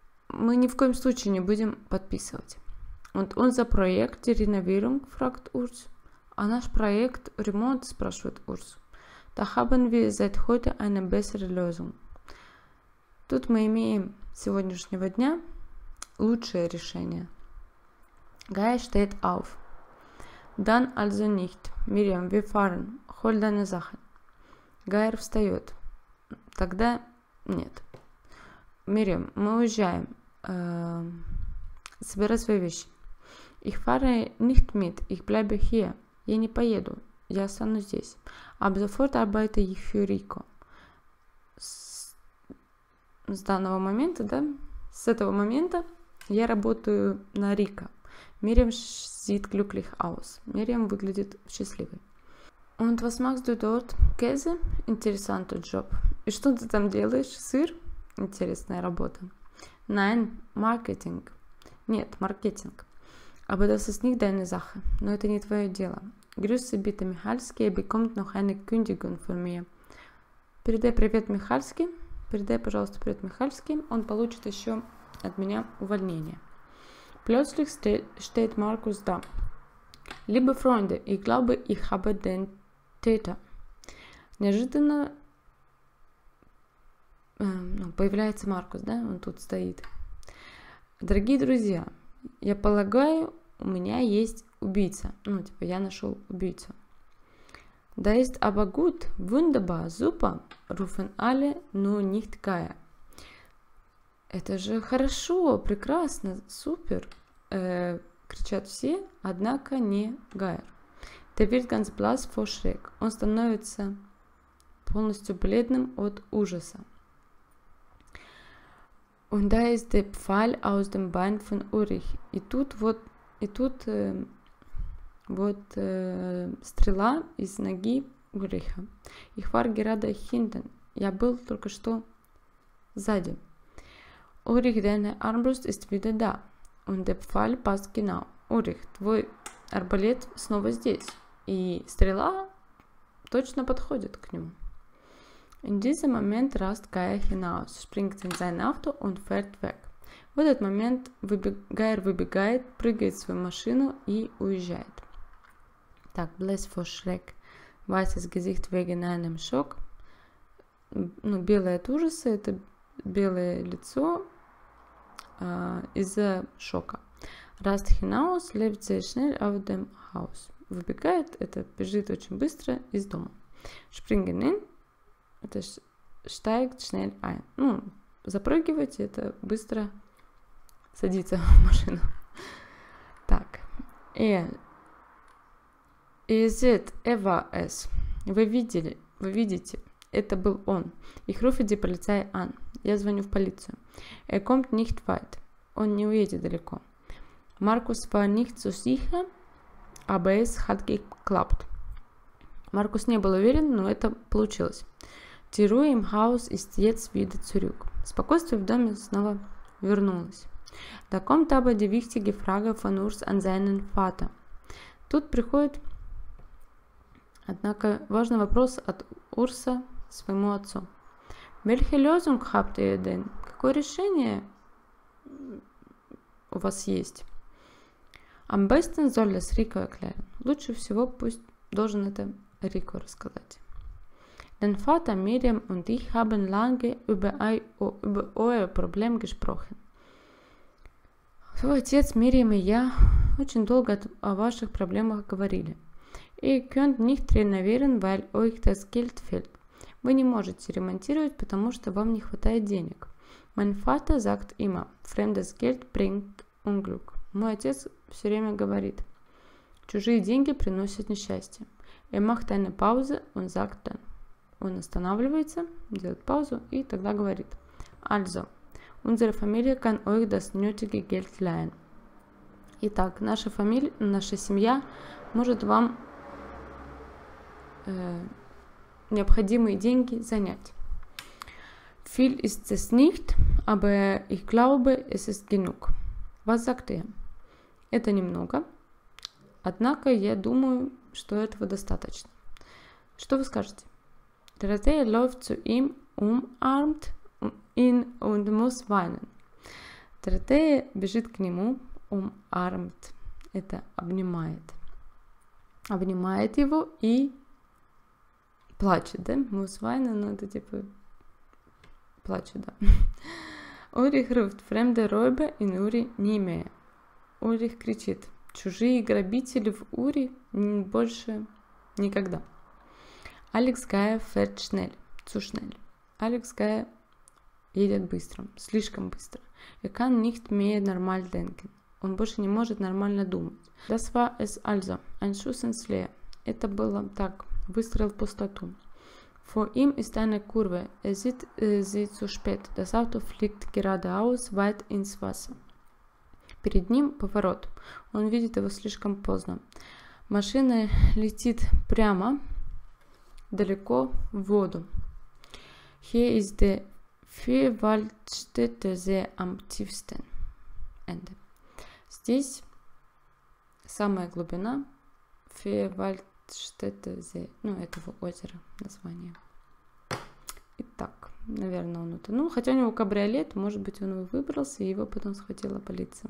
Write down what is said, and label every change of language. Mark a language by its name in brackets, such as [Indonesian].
[Russian] Мы ни в коем случае не будем подписывать. Вот он за проект [German] реновирунг, фрагт [Russian] Урс. А наш проект ремонт, спрашивает Урс. [German] Da haben wir seit heute eine bessere Lösung. [Russian] Тут мы имеем сегодняшнего дня лучшее решение. [German] Gaia steht auf. Dann also nicht. Miriam, wir fahren. Hol deine Sachen. [Russian] Гайер встает. Тогда нет. Мириам, мы уезжаем. Собирай свои вещи. [German] Ich fahre nicht mit. Ich bleibe hier. [Russian] Я не поеду. Я останусь здесь. [German] Ab sofort arbeite ich für Rico. [Russian] С данного момента, да? С этого момента я работаю на Рика. [German] Мириам sieht glücklich aus. [Russian] Мириам выглядит счастливой. [German] Und was machst du dort? Käse? Interessanter Job. [Russian] И что ты там делаешь? Сыр? Интересная работа. [German] Nein, Marketing. [Russian] Нет, маркетинг. [German] Aber das ist nicht deine Sache. [Russian] Но это не твое дело. [German] Grüße bitte Michalski, er bekommt noch eine Kündigung von mir. [Russian] Передай привет Михальски. Передай, пожалуйста, привет Михальски. Он получит еще от меня увольнение. [German] Plötzlich steht Markus da. Liebe Freunde, ich glaube, ich habe den Täter. [Russian] Неожиданно появляется Маркус, да? Он тут стоит. Дорогие друзья, я полагаю, у меня есть убийца. Ну, типа, я нашел убийцу. [German] Da ist aber gut, wunderbar, super, rufen alle, nur nicht Kaya. [Russian] Это же хорошо, прекрасно, супер, кричат все, однако не Гайер. [German] Der wird ganz blass vor Schreck. [Russian] Он становится полностью бледным от ужаса. [German] Und da ist der Pfeil aus dem Bein von Ulrich. [Russian] И тут стрела из ноги Ульриха. [German] Ich war gerade hinten. [Russian] Я был только что сзади. [German] Ulrich, deine Armbrust ist wieder da. Und der Pfeil passt genau. [Russian] Ulrich, твой арбалет снова здесь. И стрела точно подходит к нему. [German] In diesem Moment rast Kaya hinaus, springt in sein Auto und fährt weg. [Russian] В этот момент Гайер выбегает, прыгает в свою машину и уезжает. [German] Так, bless for Schreck. Weißes Gesicht wegen einem Schock. [Russian] Ну, белое от ужаса, это белое лицо из-за шока. [German] Rast hinaus, lebt sehr schnell auf dem Haus. [Russian] Выбегает, это бежит очень быстро из дома. [German] Springen in. Это steigt schnell ein. [Russian] Ну, запрыгивать, это быстро садиться в машину. Так. Is it ever S? Вы видите? Это был он. [German] Ich rufe die Polizei an. [Russian] Я звоню в полицию. [German] Er kommt nicht weit. [Russian] Он не уедет далеко. [German] Markus war nicht so sicher, aber es hat geklappt. [Russian] Markus не был уверен, но это получилось. [German] Die Ruhe im Haus ist jetzt wieder zurück. [Russian] Спокойствие в доме снова вернулось. [German] Da kommt aber die wichtige Frage von Urs an seinen Vater. [Russian] Тут приходит, однако, важный вопрос от Урса своему отцу. [German] Welche Lösung habt ihr denn? [Russian] Какое решение у вас есть? [German] Am besten soll das Rico erklären. [Russian] Лучше всего пусть должен это Рико рассказать. [German] Dein Vater, Miriam und ich haben lange über euer Problem gesprochen. [Russian] Твой отец, Miriam и я очень долго о ваших проблемах говорили. [German] Ihr könnt nicht renovieren, weil euch das Geld fehlt. [Russian] Вы не можете ремонтировать, потому что вам не хватает денег. [German] Mein Vater sagt immer, fremdes Geld bringt Unglück. [Russian] Мой отец все время говорит, чужие деньги приносят несчастье. [German] Er macht eine Pause und sagt dann. [Russian] Он останавливается, делает паузу и тогда говорит. [German] Also, unsere Familie kann euch das nötige Geld leihen. [Russian] Итак, наша семья может вам необходимые деньги занять. [German] Viel ist es nicht, aber ich glaube, es ist genug. Was sagt ihr? [Russian] Это немного, однако я думаю, что этого достаточно. Что вы скажете? [German] Dorothea läuft zu ihm, umarmt ihn und muss weinen. [Russian] Dorothea бежит к нему, umarmt. Это обнимает. Обнимает его и плачет, да? [German] Muss weinen, [Russian] но это типа плачет, да. [German] Ulrich ruft fremde Räuber in Uri nie mehr. [Russian] Ulrich кричит, чужие грабители в Ури больше никогда. [German] Алекс Гая фэрт шнель. Цу шнель. [Russian] Алекс Гая едет быстро. Слишком быстро. [German] Er kann nicht mehr normal denken. [Russian] Он больше не может нормально думать. [German] Das war es also. Ein Schuss ins Leere. [Russian] Это было так. Выстрел в пустоту. [German] Vor ihm ist eine Kurve. Er sieht sie zu spät. Das Auto fliegt geradeaus weit ins Wasser. [Russian] Перед ним поворот. Он видит его слишком поздно. Машина летит прямо. Далеко в воду. [German] Hier ist der Vierwaldstättersee am tiefsten. Ende. [Russian] Здесь самая глубина Фейервальдштеттезе, ну, этого озера название. Итак, наверное, он утонул. Хотя у него кабриолет, может быть, он выбрался, и его потом схватила полиция.